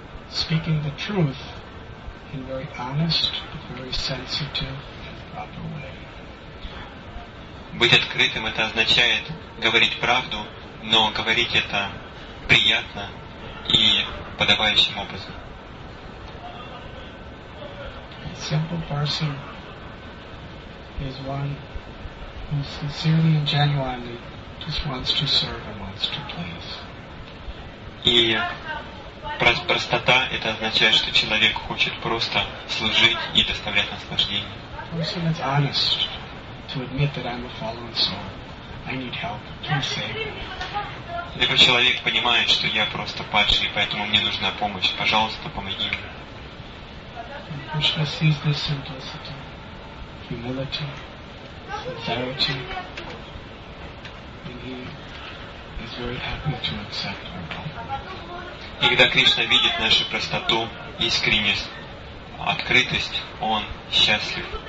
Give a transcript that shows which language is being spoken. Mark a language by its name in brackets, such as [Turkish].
[English] Speaking the truth in very honest, very sensitive and proper way. [Russian] Быть открытым это означает говорить правду, но говорить это приятно и подобающим образом. [English] A simple person is one who sincerely and genuinely just wants to serve and wants to please. [Russian] И простота это означает, что человек хочет просто служить и доставлять наслаждение. [English] Person is honest to admit that I'm a fallen soul. I need help. Please save me. [Russian] Либо человек понимает, что я просто падший, поэтому мне нужна помощь. Пожалуйста, помоги мне. [English] And Krishna sees this simplicity, humility, sincerity, and he is very happy to accept our help. [Russian] И когда Кришна видит нашу простоту, искренность, открытость, он счастлив